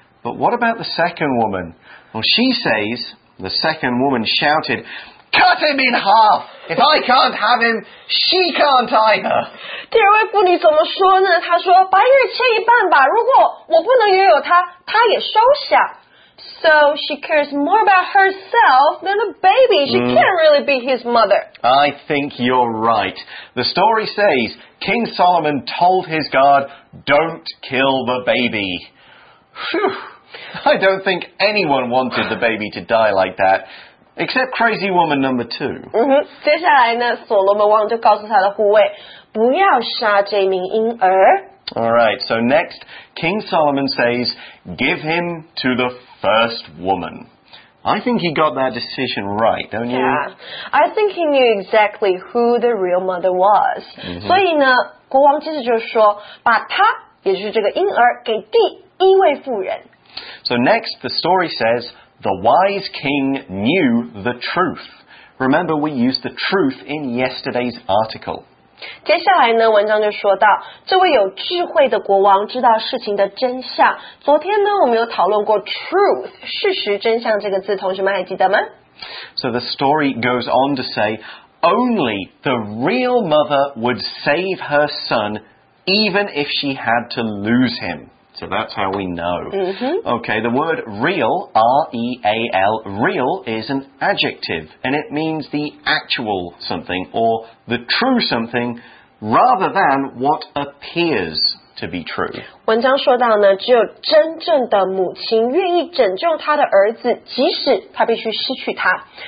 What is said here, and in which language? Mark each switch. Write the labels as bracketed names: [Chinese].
[English] But what about the second woman? Well, she says, the second woman shouted, cut him in half! If I can't have him, she can't either. [Chinese] 第二位妇女怎么说呢？她说，把一个切一半吧，如果我不能拥有她，她也收下。 [English] So she cares more about herself than the baby. She can't really be his mother. I think you're right. The story says King Solomon told his guard, don't kill the baby. Phew. I don't think anyone wanted the baby to die like that. Except crazy woman number two. [Chinese] 接下来呢，所罗门王就告诉他的护卫，不要杀这名婴儿。 [English] Alright, so next, King Solomon says, give him to the first woman. I think he got that decision right, don't you? Yeah, I think he knew exactly who the real mother was. [Chinese] Mm-hmm. 所以呢，国王其实就是说，把他，也就是这个婴儿，给第一位妇人。 [English] So next, the story says, the wise king knew the truth. Remember, we used the truth in yesterday's article. [Chinese] 接下来呢，文章就说到，这位有智慧的国王知道事情的真相。昨天呢，我们有讨论过 truth, 事实真相这个字，同学们还记得吗？ [English] So the story goes on to say, only the real mother would save her son, even if she had to lose him. So that's how we know.、 Mm-hmm. Okay, the word real, R-E-A-L, real is an adjective, and it means the actual something or the true something rather than what appears to be true. [Chinese] 文章说到呢，只有真正的母亲愿意拯救她的儿子，即使她必须失去她。